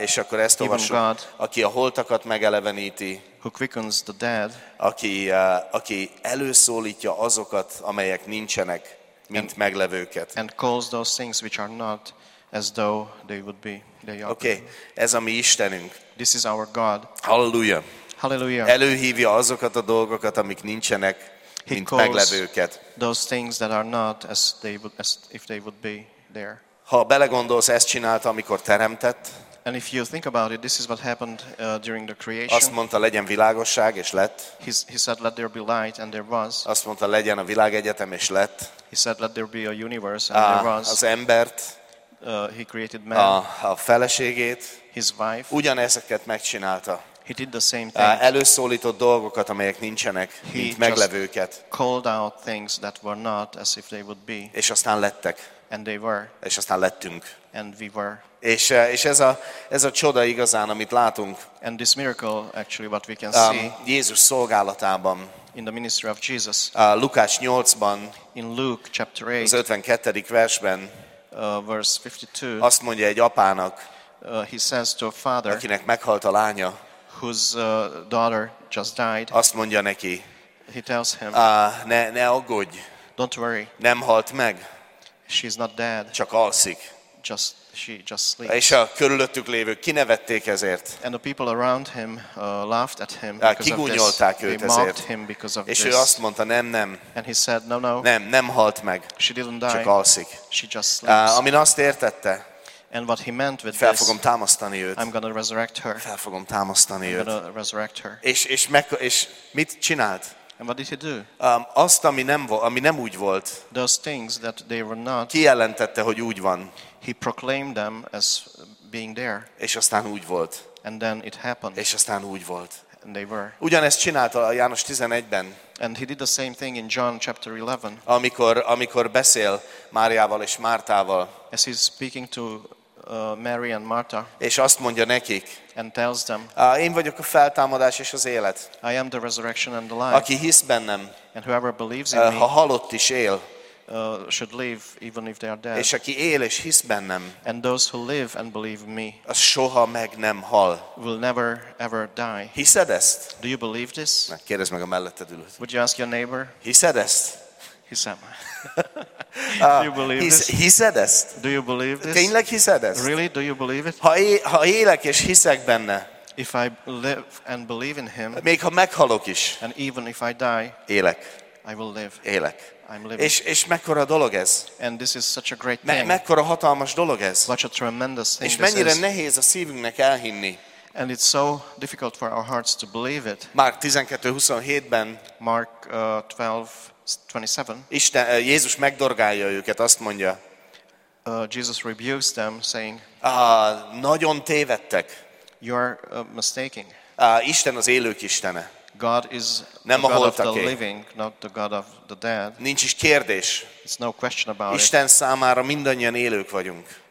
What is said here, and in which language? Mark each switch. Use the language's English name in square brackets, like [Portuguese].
[Hungarian] És akkor ezt olvassuk, [English] God, [Hungarian] aki a holtakat megeleveníti. [English] Who quickens the dead. [Hungarian] Aki előszólítja azokat, amelyek nincsenek, mint and, meglevőket. [English] And calls those things which are not as though they would be. They are. [Hungarian] Okay. Ez a mi Istenünk. [English] This is our God. [Hungarian] Halleluja. [English] Halleluja. [Hungarian] Előhívja azokat a dolgokat, amik nincsenek, [English] he [Hungarian] mint meglevőket. [English] Those things that are not as they would, as if they would be there. [Hungarian] Ha belegondolsz, ezt csinálta, amikor teremtett. [English] And if you think about it, this is what happened during the creation. [Hungarian] Azt mondta, legyen világosság, és lett. [English] He said, let there be light, and there was. [Hungarian] Azt mondta, legyen a világegyetem, és lett. [English] He said, let there be a universe, and there was. [Hungarian] Az embert. [English] He created man. [Hungarian] A feleségét. [English] His wife. [Hungarian] Ugyanezeket megcsinálta. [English] He did the same thing. [Hungarian] Előszólított dolgokat, amelyek nincsenek, [English] he [Hungarian] mint meglevőket. [English] He just called out things that were not as if they would be. [Hungarian] És aztán lettek. [English] And they were. [Hungarian] És aztán lettünk. [English] And we were. [Hungarian] És ez a csoda igazán, amit látunk. [English] And this miracle actually what we can see. [Hungarian] Jézus szolgálatában. [English] In the ministry of Jesus. [Hungarian] Lukács 8-ban. [English] In Luke chapter 8. [Hungarian] Az 52. versben. [English] Verse 52. [Hungarian] Azt mondja egy apának. [English] He says to a father. [Hungarian] Akinek meghalt a lánya. [English] Whose daughter just died. [Hungarian] Azt mondja neki. [English] He tells him. [Hungarian] Ne aggódj. [English] Don't worry. [Hungarian] Nem halt meg. [English] She's not dead. [Hungarian] Csak alszik. [English] She just sleeps. [Hungarian] És a körülöttük lévők kinevették ezért. [English] And the people around him laughed at him. [Hungarian] Kigúnyolták őt ezért. [English] They mocked him because of this. [Hungarian] És ő azt mondta, nem. [English] And he said, no. [Hungarian] Nem halt meg. [English] She didn't die. [Hungarian] Csak alszik. [English] She just sleeps. [Hungarian] Amin azt értette. [English] And what he meant with [Hungarian] fel fogom támasztani őt. [English] I'm gonna resurrect her. [Hungarian] Fel fogom támasztani [English] I'm [Hungarian] őt. [English] Gonna resurrect her. [Hungarian] És mit csinált? [English] And what did he do? [Hungarian] Azt, ami nem úgy volt. [English] Those things that they were not. [Hungarian] Kijelentette, hogy úgy van. [English] He proclaimed them as being there. [Hungarian] És aztán úgy volt. [English] And then it happened. [Hungarian] És aztán úgy volt. [English] And they were. [Hungarian] Ugyanezt csinálta a János 11-ben. [English] And he did the same thing in John chapter 11. [Hungarian] Amikor beszél Máriával és Mártával. [English] As he's speaking to Mary and Martha. [Hungarian] És azt mondja nekik. [English] And tells them. [Hungarian] Én vagyok a feltámadás és az élet. [English] I am the resurrection and the life. [Hungarian] Aki hisz bennem. [English] And whoever believes in [Hungarian] ha halott is él. [English] Should live even if they are dead. [Hungarian] És aki él és hisz bennem. [English] And those who live and believe in me. [Hungarian] Az soha meg nem hal. [English] Will never ever die. [Hungarian] Hiszed ezt? [English] Do you believe this? [Hungarian] Na, kérdezz meg a melletted ülőt. [English] Would you ask your neighbor? [Hungarian] Hiszed ezt? Hiszem. [English] Do you believe this? Do you believe this? [Hungarian] Tényleg hiszed ezt? [English] Really? Do you believe it? [Hungarian] Ha élek és hiszek benne. [English] If I live and believe in him. [Hungarian] Még ha meghalok is. [English] And even if I die. [Hungarian] Élek. [English] I will live. [Hungarian] Élek. [English] I'm living. [Hungarian] És mekkora dolog ez? [English] And this is such a great thing. [Hungarian] Mekkora hatalmas dolog ez? [English] Such a tremendous thing. [Hungarian] És mennyire nehéz a szívünknek elhinni. [English] And it's so difficult for our hearts to believe it. [Hungarian] Mark 12:27-ben. [English] Mark 12:27. [Hungarian] Isten, Jézus megdorgálja őket, azt mondja. [English] Jesus rebukes them, saying. [Hungarian] Nagyon tévedtek. [English] You're mistaken. [Hungarian] Isten az élők Istene. [English] God is [Hungarian] nem [English] the God of the living, not the God of the dead. [Hungarian] Nincs is kérdés. [English] It's no question about [Hungarian] Isten [English] it. [Hungarian] Isten számára mindannyian élők vagyunk.